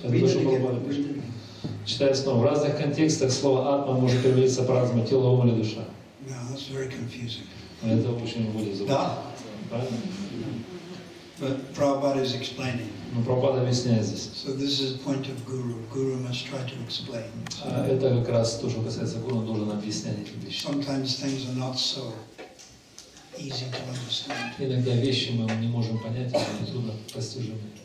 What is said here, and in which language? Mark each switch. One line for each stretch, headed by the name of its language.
Russian: Это то, что Прабхупада пишет. Читая снова. В разных контекстах слово атма может перевести по-разному тело, ум или душа.
English: No, that's very confusing.
Russian: Это очень будет забавно. Да. Правильно?
English: But Prabhupada is explaining.
Russian: Но Прабхупада объясняет здесь.
English: So this is the point of guru. Guru must try to explain.
Russian: Это как раз то, что касается гуру, он должен объяснять эти вещи.
English: Sometimes things are not so easy to understand.
Russian: Иногда вещи мы не можем понять, они трудно постижимы.